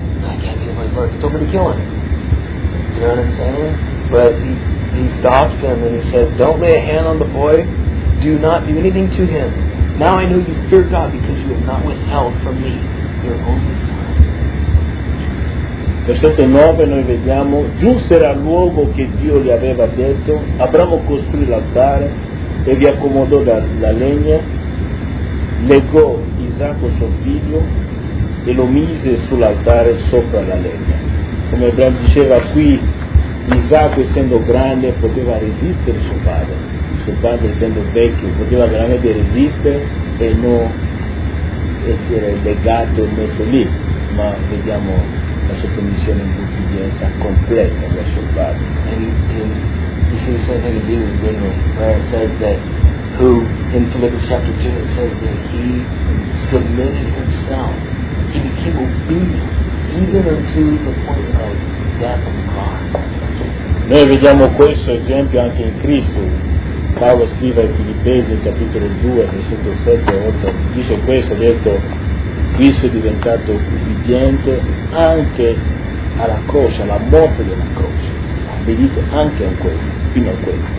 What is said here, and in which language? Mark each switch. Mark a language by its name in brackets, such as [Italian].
[English] "I can't be the voice of the Lord. He told me to kill him." You know what I'm saying? But he stops him and he says, "Don't lay a hand on the boy. Do not do anything to him. Now I know you fear God because you have not withheld from me your only son." [Italian] Versetto 9, noi vediamo, giunse al luogo che Dio gli aveva detto, Abramo costruì l'altare e vi accomodò la legna, legò Isacco suo figlio e lo mise sull'altare sopra la legna. Come Abramo diceva qui, Isacco essendo grande poteva resistere suo padre essendo vecchio poteva veramente resistere e non essere legato e messo lì, ma vediamo la sottomissione in cui diventa completa da suo padre. [English] You see the same thing that Jesus did where it says that who in Philippians chapter 2 it says that he submitted himself, he became obedient even unto the point of death on the cross. [Italian] Noi vediamo questo esempio anche in Cristo. Paolo scrive ai Filippesi nel capitolo 2, versetto 7 e 8, dice questo, ha detto, Cristo è diventato ubbidiente anche alla croce, alla morte della croce. Obbedito anche a questo, fino a questo.